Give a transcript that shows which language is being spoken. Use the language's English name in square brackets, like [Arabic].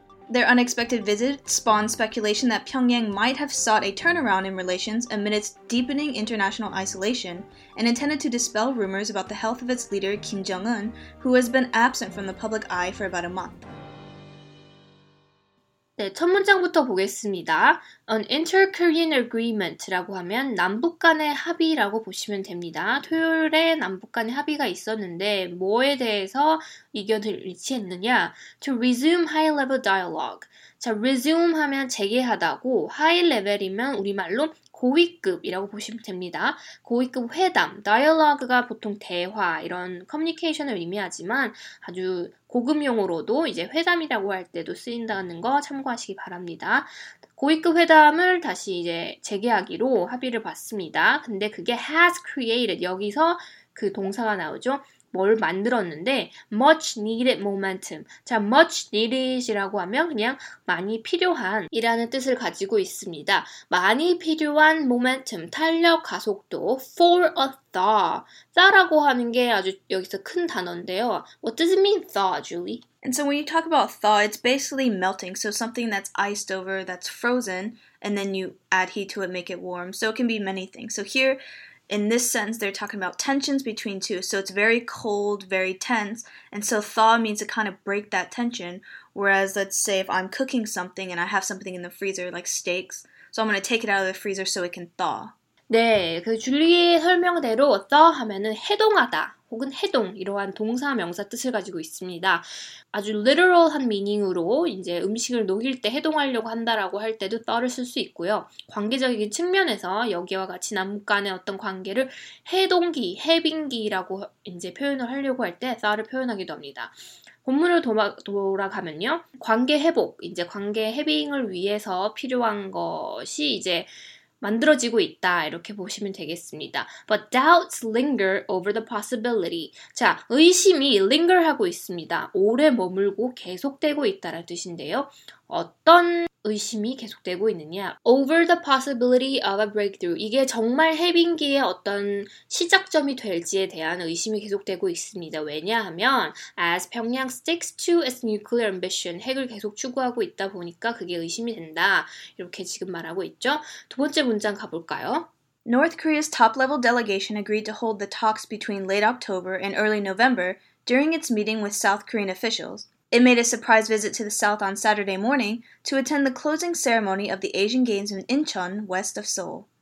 [English] Their unexpected visit spawned speculation that Pyongyang might have sought a turnaround in relations amid its deepening international isolation and intended to dispel rumors about the health of its leader Kim Jong-un, who has been absent from the public eye for about a month. [Korean] 네, 첫 문장부터 보겠습니다. [English] An inter-Korean agreement [Korean] 라고 하면 남북 간의 합의라고 보시면 됩니다. 토요일에 남북 간의 합의가 있었는데 뭐에 대해서 의견을 일치했느냐? [English] To resume high-level dialogue. [Korean] 자, resume 하면 재개하다고, high-level이면 우리말로 고위급이라고 보시면 됩니다. 고위급 회담, dialogue가 보통 대화, 이런 커뮤니케이션을 의미하지만 아주 고급용어로도 이제 회담이라고 할 때도 쓰인다는 거 참고하시기 바랍니다. 고위급 회담을 다시 이제 재개하기로 합의를 봤습니다. 근데 그게 [English] has created, [Korean] 여기서 그 동사가 나오죠. 뭘 만들었는데 [English] much needed momentum. [Korean] 자, much needed이라고 하면 그냥 많이 필요한이라는 뜻을 가지고 있습니다. 많이 필요한 momentum, 탄력 가속도 [English] for a thaw. [Korean] thaw라고 하는 게 아주 여기서 큰 단어인데요. [English] What does it mean thaw, Julie? And so when you talk about thaw, it's basically melting. So something that's iced over, that's frozen, and then you add heat to it, make it warm. So it can be many things. So here in this sense, they're talking about tensions between two. So it's very cold, very tense. And so thaw means to kind of break that tension. Whereas let's say if I'm cooking something and I have something in the freezer, like steaks, so I'm going to take it out of the freezer so it can thaw. [Korean] 네, 그 줄리의 설명대로 thaw 하면은 해동하다 혹은 해동, 이러한 동사, 명사 뜻을 가지고 있습니다. 아주 literal한 meaning으로 이제 음식을 녹일 때 해동하려고 한다라고 할 때도 thaw를 쓸 수 있고요. 관계적인 측면에서 여기와 같이 남북 간의 어떤 관계를 해동기, 해빙기라고 이제 표현을 하려고 할 때 thaw를 표현하기도 합니다. 본문을 돌아가면요. 관계 회복, 이제 관계 해빙을 위해서 필요한 것이 이제 만들어지고 있다 이렇게 보시면 되겠습니다. [English] But doubts linger over the possibility. [Korean] 자, 의심이 linger 하고 있습니다. 오래 머물고 계속되고 있다라는 뜻인데요. 어떤 의심이 계속되고 있느냐? [English] Over the possibility of a breakthrough. [Korean] 이게 정말 해빙기의 어떤 시작점이 될지에 대한 의심이 계속되고 있습니다. 왜냐하면 [English] as Pyongyang sticks to its nuclear ambition, [Korean] 핵을 계속 추구하고 있다 보니까 그게 의심이 된다. 이렇게 지금 말하고 있죠. 두 번째 문장 가볼까요? [English] North Korea's top-level delegation agreed to hold the talks between late October and early November during its meeting with South Korean officials. It made a surprise visit to the South on Saturday morning to attend the closing ceremony of the Asian Games in Incheon, west of Seoul.